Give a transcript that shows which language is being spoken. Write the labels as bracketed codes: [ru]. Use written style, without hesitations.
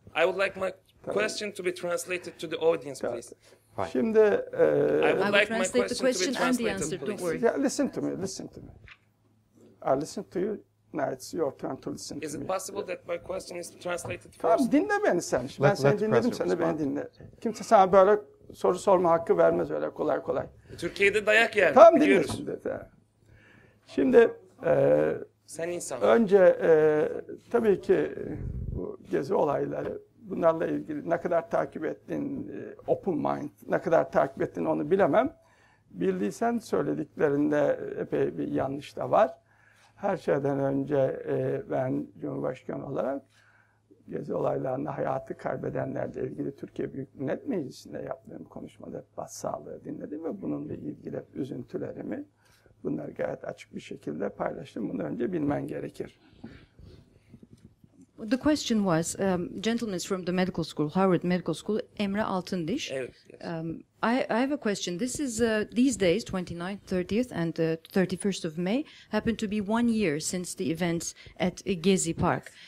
[en] I would like my question to be translated to the audience, please. [tr] Fine. Şimdi... [en] I would like my question to be translated, please. Don't worry. Yeah, listen to me. I listen to you. Now it's your turn to listen. Is it possible that my question is translated first? [tr] Tamam, dinle beni sen. Ben seni dinledim, sen de beni dinle. Kimse sana böyle soru sorma hakkı vermez öyle kolay kolay. Türkiye'de dayak yer. Tamam, dinle şimdi. Şimdi... Sen insan. Önce tabii ki bu Gezi olayları, bunlarla ilgili ne kadar takip ettin, [en] open mind, [tr] ne kadar takip ettin onu bilemem. Bildiysen söylediklerinde epey bir yanlış da var. Her şeyden önce ben Cumhurbaşkanı olarak Gezi olaylarında hayatı kaybedenlerle ilgili Türkiye Büyük Millet Meclisi'nde yaptığım konuşmada başsağlığı dinledim ve bununla ilgili üzüntülerimi bunları gayet açık bir şekilde paylaştım. Bunu önce bilmen gerekir. [en] The question was, gentlemen from the medical school, Harvard Medical School, Emre Altındiş. [tr] Evet, yes. [en] I have a question. This is these days, 29th, 30th, and 31st of May, happen to be 1 year since the events at Gezi Park.